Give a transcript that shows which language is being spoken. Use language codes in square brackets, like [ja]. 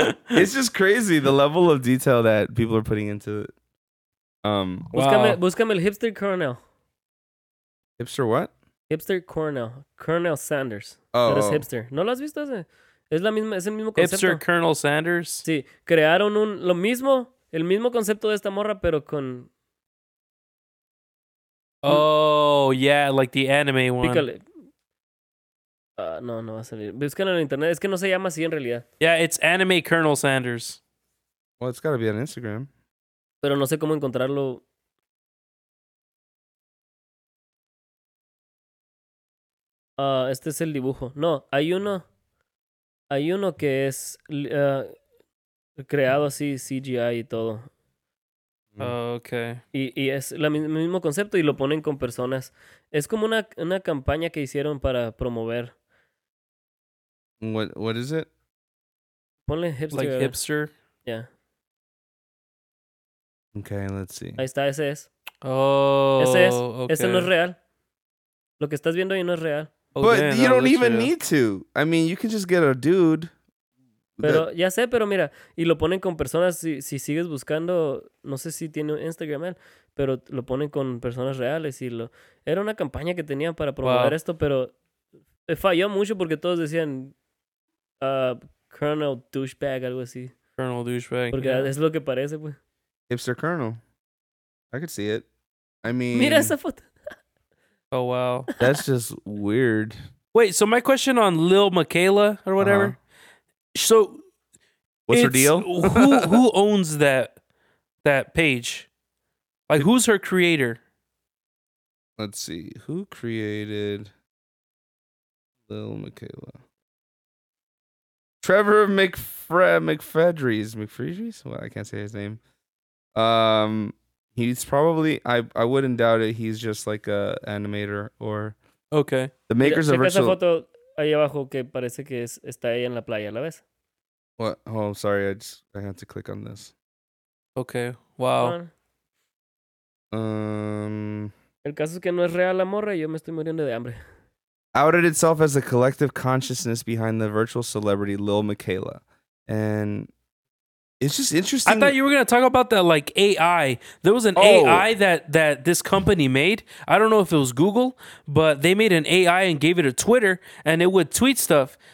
[en] It's just crazy the level of detail that people are putting into it. [es] Buscame el hipster Cornell. [en] Hipster what? Hipster Cornell. Colonel Sanders. Oh. That is hipster. [es] ¿No lo has visto ese? Es el mismo concepto. [en] Hipster Colonel Sanders. [es] Sí. Crearon lo mismo, el mismo concepto de esta morra, pero con... [en] Oh, yeah, like the anime one. [es] Pícale. No va a salir. Búscalo en internet. Es que no se llama así en realidad. [en] Yeah, it's anime Colonel Sanders. Well, it's gotta be on Instagram. [es] Pero no sé cómo encontrarlo. Este es el dibujo. No, hay uno que es creado así, CGI y todo. Ok. Y es el mismo concepto y lo ponen con personas. Es como una campaña que hicieron para promover. [en] What is it? [es] Ponle hipster. [en] Like hipster? Yeah. Okay, let's see. [es] Ahí está, ese es. [en] Oh, [es] ese es. Okay. Ese no es real. Lo que estás viendo ahí no es real. [en] Oh, but man, you don't even true. Need to. I mean, you can just get a dude. [es] Pero ya sé, pero mira, y lo ponen con personas. Si sigues buscando, no sé si tiene Instagram, pero lo ponen con personas reales. Era una campaña que tenían para promover esto, pero falló mucho porque todos decían Colonel Douchebag, algo así. Colonel Douchebag. Porque es lo que parece, pues. [en] Hipster Colonel. I could see it. I mean. [es] Mira esa foto. [en] Oh, wow. That's just weird. Wait, so my question on Lil Michaela or whatever. Uh-huh. So. What's her deal? who owns that page? Like, who's her creator? Let's see. Who created Lil Michaela? Trevor McFedries. McFedries? Well, I can't say his name. He's probably, I wouldn't doubt it, he's just like a animator or... Okay. The makers of Ritual... [es] Checa esa foto ahí abajo que parece que está ahí en la playa, ¿la ves? [en] What? Oh, I'm sorry, I had to click on this. Okay, wow. [es] El caso es que no es real la morra y yo me estoy muriendo de hambre. [en] Outed itself as a collective consciousness behind the virtual celebrity Lil Michaela. And... It's just interesting. I thought you were going to talk about that, like, AI. There was an AI that this company made. I don't know if it was Google, but they made an AI and gave it a Twitter, and it would tweet stuff.